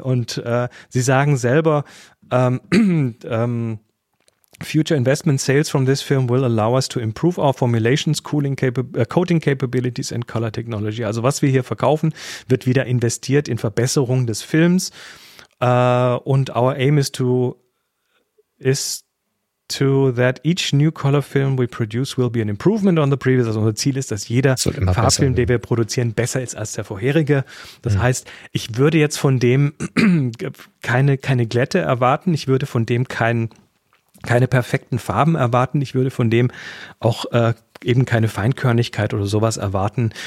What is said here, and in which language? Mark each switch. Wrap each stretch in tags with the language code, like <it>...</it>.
<de>Und sie sagen selber,</de> <en>future investment sales from this film will allow us to improve our formulations, coating capabilities and color technology.</en> <de>Also was wir hier verkaufen, wird wieder investiert in Verbesserung des Films.</de> <en>Und our aim is to that each new color film we produce will be an improvement on the previous.</en> <de>Also unser Ziel ist, dass jeder Farbfilm, den wir produzieren, besser ist als der vorherige. Das heißt, ich würde jetzt von dem keine Glätte erwarten. Ich würde von dem keine perfekten Farben erwarten. Ich würde von dem auch eben keine Feinkörnigkeit oder sowas erwarten.</de>